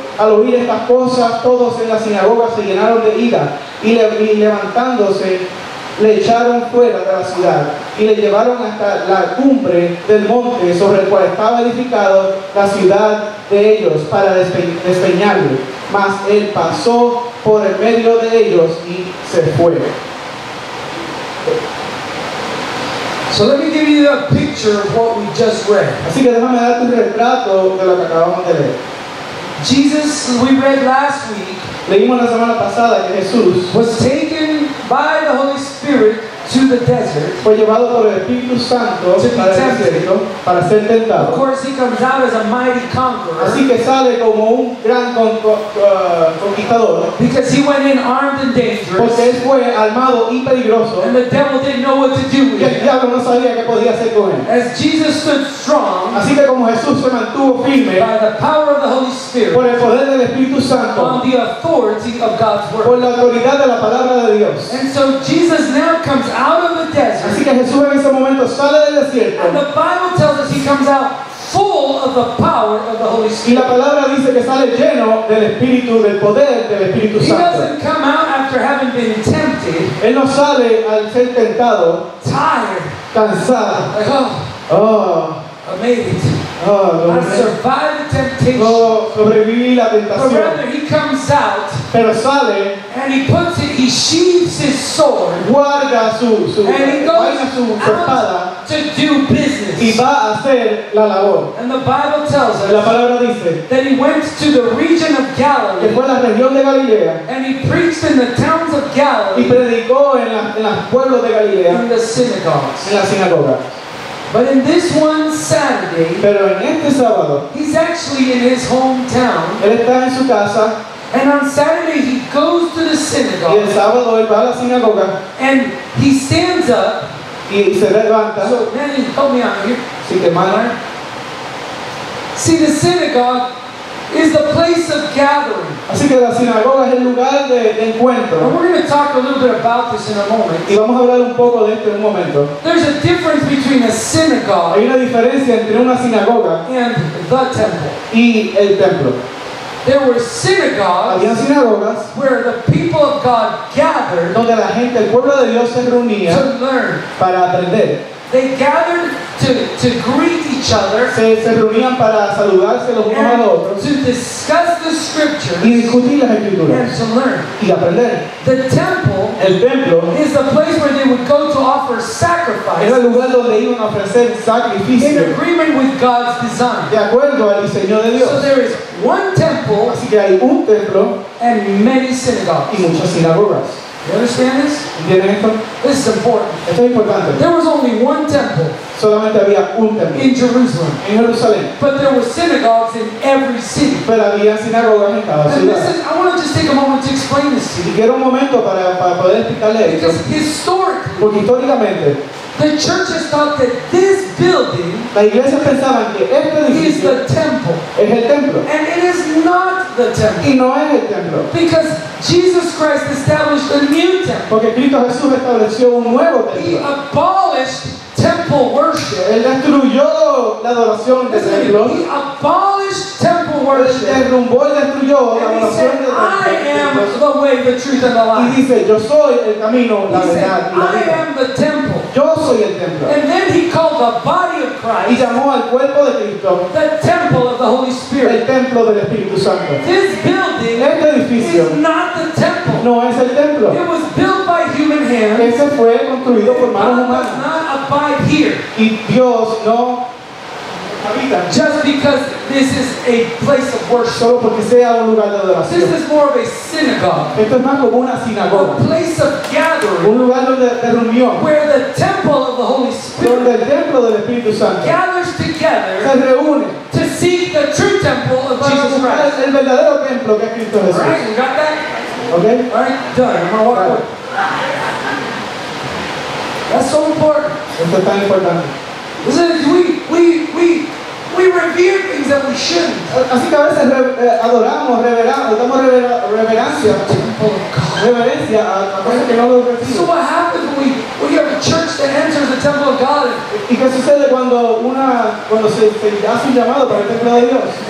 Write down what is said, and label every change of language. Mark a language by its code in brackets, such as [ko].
[es] Al oír estas cosas, todos en la sinagoga se llenaron de ira, y levantándose, le echaron fuera de la ciudad, y le llevaron hasta la cumbre del monte sobre el cual estaba edificada la ciudad de ellos, para despeñarlo. Mas él pasó por el medio de ellos y se fue. [en] So let me give you a picture of what we just read. [es] Así que déjame darte un retrato de lo que acabamos de leer. [en] Jesus, we read last week, [es] leímos la semana pasada que Jesús [en] was taken by the Holy Spirit to the desert, [es] fue llevado por el Espíritu Santo para el desierto para ser tentado. [en] Of course, he comes out as a mighty conqueror. [es] Así que sale como un gran conquistador. [en] Because he went in armed and dangerous. [es] Porque él fue armado y peligroso. [en] And the devil didn't know what to do with him. [es] El diablo no sabía qué podía hacer con él. [en] As Jesus stood strong. [es] Así que como Jesús se mantuvo firme. [en] By the power of the Holy Spirit. [es] Por el poder del Espíritu Santo. [en] On the authority of God's word. [es] Por la autoridad de la palabra de Dios. [en] And so Jesus now comes out of the desert. [es] Así que Jesús en ese momento sale del desierto. [en] And the Bible tells us he comes out full of the power of the Holy Spirit. [es] Y la palabra dice que sale lleno del Espíritu, del poder del Espíritu Santo. [en] He doesn't come out after having been tempted. [es] Él no sale al ser tentado. [en] Tired. [es] Cansado. [en] Like, oh, I made it. Oh, I survived the temptation. [es] Oh, sobreviví la tentación. [en] But rather, he comes out. [es] Pero sale. [en] And he sheathes his sword. [es] Guarda su [en] and he goes [es] su espada, [en] to do business. [es] Y va a hacer la labor. [en] And the Bible tells us. [es] La palabra dice. [en] That he went to the region of Galilee. [es] Que fue la región de Galilea. [en] And he preached in the towns of Galilee. [es] Y predicó en los pueblos de Galilea. [en] In the synagogues. [es] En la sinagoga. [en] But in this one Saturday, [es] pero en este sábado, [en] he's actually in his hometown. [es] Él está en su casa. [en] And on Saturday he goes to the synagogue. [es] Y el sábado él va a la sinagoga. [en] And he stands up. [es] Y se levanta. [en] So, man, help me out here. [es] Sí, que mano. [en] See, the synagogue is the place of gathering. [es] Así que la sinagoga es el lugar de encuentro. [en] And we're going to talk a little bit about this in a moment. [es] Y vamos a hablar un poco de esto en un momento. [en] There's a difference between a synagogue. [es] Hay una diferencia entre una sinagoga [en] and the temple. [es] Y el templo. [en] There were synagogues. [es] Había sinagogas [en] where the people of God gathered. [es] Donde la gente, el pueblo de Dios, se reunía [en] to learn. [es] Para aprender. [en] They gathered to greet each other. [es] Se reunían para saludarse los unos a los otros. [en] To discuss the scriptures. [es] Y discutir las escrituras. [en] And to learn. [es] Y aprender. [en] The temple. [es] El templo. [en] Is the place where they would go to offer sacrifice. [es] Era el lugar donde iban a ofrecer sacrificio. [en] In agreement with God's design. [es] De acuerdo al diseño de Dios. [en] So there is one temple. [es] Así que hay un templo. [en] And many synagogues. [es] Y muchas sinagogas. [en] You understand this? [es] ¿Entienden esto? [en] This is important. [es] Esto es importante. [en] There was only one temple. [es] Solamente había un templo. [en] In Jerusalem. [es] En Jerusalén. [en] But there were synagogues in every city. [es] Pero había sinagogas en cada ciudad. [en] And this is, I want to just take a moment to explain this to you. [es] Y quiero un momento para poder explicarle esto. [en] Because historically, [es] porque históricamente, [en] the churches thought that this building, [es] la iglesia pensaba que este edificio [en] is the temple. [es] Es el templo. [en] And it is not the temple. [es] Y no es el templo. [en] Because Jesus Christ established a new temple. [es] Porque Cristo Jesús estableció un nuevo templo. [en] He abolished temple worship. [es] Él destruyó la adoración del templo. [en] He abolished temple worship. [es] Él derrumbó y destruyó la adoración del templo. [en] I am the way, the truth, and the life. [es] Y dice, yo soy el camino, la verdad, y la vida. [en] I am the temple. [es] Yo soy el templo. [en] And then he called the body of Christ. [es] Y llamó al cuerpo de Cristo. [en] The temple of the Holy Spirit. [es] El templo del Espíritu Santo. [en] This building, [es] este edificio, [en] is not the temple. [es] No es el templo. [en] It was built by human hands. [es] Ese fue construido por manos humanas. [en] God does not abide here. [es] Y Dios no habita. [en] Just because this is a place of worship. [es] Solo porque sea un lugar de adoración. [en] This is more of a synagogue. [es] Esto es más como una sinagoga. [en] A place of gathering. [es] Un lugar donde de reunión. [en] Where the temple of the Holy Spirit. [es] Donde el templo del Espíritu Santo. [en] Gathers together. [es] Se reúne. [en] To see the true temple of Jesus Christ. [es] Para buscar el verdadero templo que es Cristo Jesús. [en] Right, you got that? Okay. All right, done. I'm gonna walk away. That's so important. [es] Esto es tan importante. [en] Listen, we revere things that we shouldn't. [es] Así que a veces adoramos, reveramos, damos reverencia. Reverencia a cosas que no lo reciben. [en] So what happens when we have a church that enters the temple of God? [es] ¿Y qué sucede cuando una cuando se da su llamado para el templo de Dios?